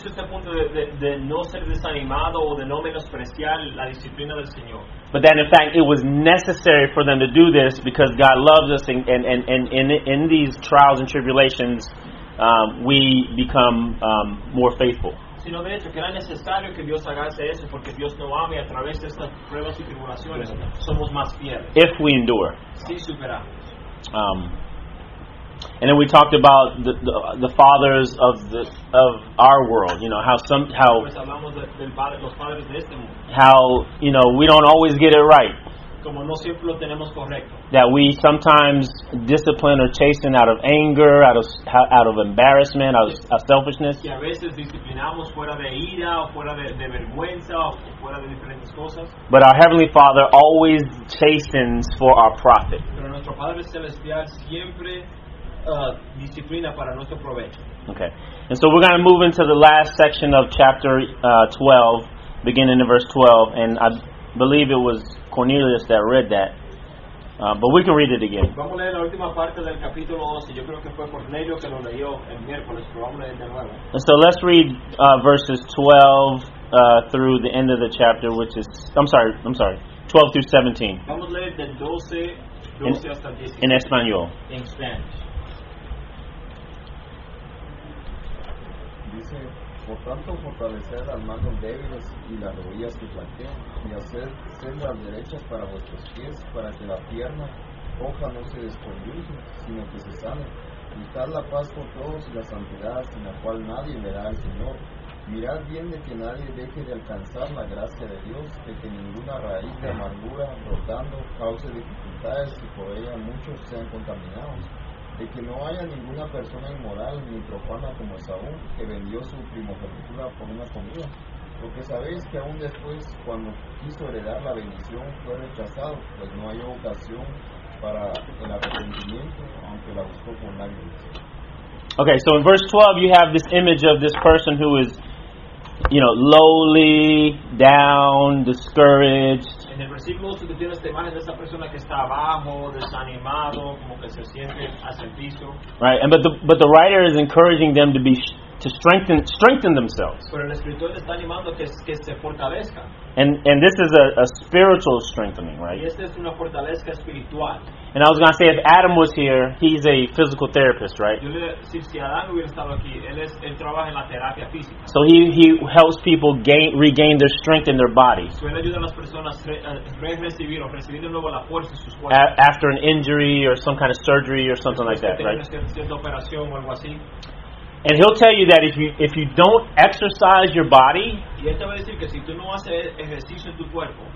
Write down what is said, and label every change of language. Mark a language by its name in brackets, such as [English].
[English] But that in fact it was necessary for them to do this because God loves us and in these trials and tribulations we become more faithful. [Spanish] Sino de hecho que era necesario que Dios haga eso porque Dios nos ama y a través de estas pruebas y tribulaciones somos más fieles. [English] If we endure. [Spanish] Si superamos. [English] And then we talked about the fathers of our world, you know, how you know we don't always get it right. [Spanish] Como no siempre lo tenemos correcto. [English] That we sometimes discipline or chasten out of anger, out of embarrassment, out of selfishness. [Spanish] Y a veces disciplinamos fuera de ira o fuera de vergüenza o fuera de diferentes cosas. [English] But our Heavenly Father always chastens for our profit. [Spanish] Pero nuestro Padre Celestial siempre disciplina para nuestro provecho. [English] Okay. And so we're going to move into the last section of chapter 12, beginning in verse 12. And I believe it was Cornelius that read that. But we can read it again. [Spanish] Vamos a leer la última parte del capítulo 11. Yo creo que fue Cornelio que lo leyó el miércoles, pero vamos a leer de nuevo. [English] And so let's read verses 12 through the end of the chapter, which is, I'm sorry, 12 through 17. [Spanish] Vamos a leer de 12 hasta 17. [English] In Espanol. In Spanish. [Spanish] Dice, por tanto, fortalecer al mando débiles y las rodillas que flaquean, y hacer sendas derechas para vuestros pies, para que la pierna coja no se desconduce, sino que se sane. Quitar la paz por todos y la santidad, sin la cual nadie verá al Señor. Mirad bien de que nadie deje de alcanzar la gracia de Dios, de que ninguna raíz de amargura brotando cause dificultades y por ella muchos sean contaminados, de que no haya ninguna persona inmoral ni profana como Esaú, que vendió su primogenitura por una comida. Porque sabéis que aún después, cuando quiso heredar la bendición, fue rechazado, pues no hay ocasión para el arrepentimiento, aunque la buscó con lágrimas. [English] Okay, so in verse 12 you have this image of this person who is, you know, lowly, down, discouraged. [Spanish] En el versículo 12 tú tienes esta imagen de esa persona que está abajo, desanimado, como que se siente hacia el piso. [English] Right, and but the writer is encouraging them to strengthen themselves. [Spanish] Pero el escritor le está animando que se fortalezca. [English] And this is a spiritual strengthening, right? [Spanish] Y esta es una fortaleza espiritual. [English] And I was going to say, if Adam was here, he's a physical therapist, right? [Spanish] Si Adam hubiera estado aquí, él trabaja en la terapia física. [English] So he helps people regain their strength in their body. [Spanish] So él ayuda a las personas recibir de nuevo la fuerza en sus cuerpos. [English] After an injury or some kind of surgery or something like that, right? [Spanish] Cierta operación o algo así. [English] And he'll tell you that if you don't exercise your body, [Spanish] y él te va a decir que si tú no haces ejercicio en tu cuerpo,